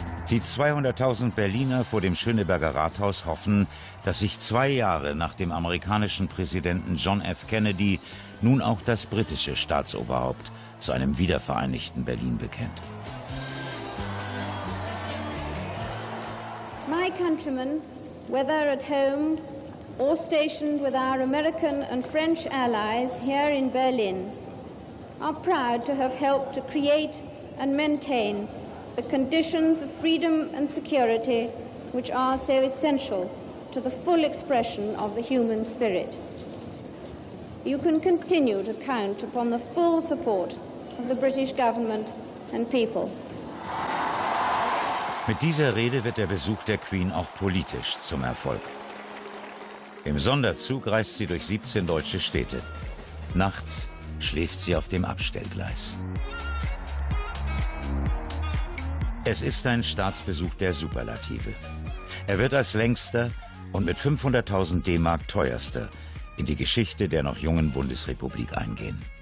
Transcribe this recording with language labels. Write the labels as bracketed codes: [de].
[de] Die 200.000 Berliner vor dem Schöneberger Rathaus hoffen, dass sich 2 Jahre nach dem amerikanischen Präsidenten John F. Kennedy nun auch das britische Staatsoberhaupt zu einem wiedervereinigten Berlin bekennt. [en] My countrymen, whether at home or stationed with our American and French allies here in Berlin, are proud to have helped to create and maintain the conditions of freedom and security which are so essential to the full expression of the human spirit. You can continue to count upon the full support of the British government and people. [de] Mit dieser Rede wird der Besuch der Queen auch politisch zum Erfolg. Im Sonderzug reist sie durch 17 deutsche Städte. Nachts schläft sie auf dem Abstellgleis. Es ist ein Staatsbesuch der Superlative. Er wird als längster und mit 500.000 D-Mark teuerster in die Geschichte der noch jungen Bundesrepublik eingehen.